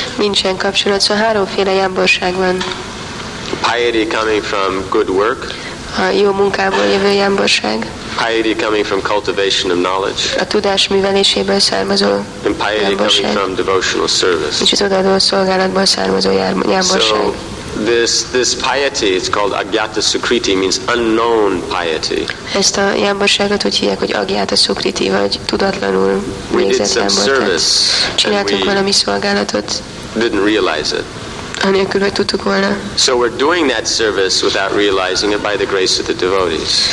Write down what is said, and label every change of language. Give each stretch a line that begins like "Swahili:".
Hungarian: Nincsen kapcsolat, szóval háromféle jámborság van.
English: Piety coming from good work.
Hungarian: A jó munkából jövő jámborság.
English: Piety coming from cultivation of knowledge.
Hungarian: A tudás műveléséből származó
English: and piety
Hungarian: jámborság.
English: Coming from devotional service.
Hungarian: És az odaadó szolgálatból származó jámborság.
English: So, This piety is called Agyata Sukriti, means unknown piety.
Hungarian: Ezt a jámborságot úgy hívják, hogy Agyata Sukriti, vagy tudatlanul végzett jámborság. Csináltunk valami szolgálatot.
English: Didn't realize it.
Hungarian: Anélkül, hogy tudtuk volna.
English: So we're doing that service without realizing it by the grace of the devotees.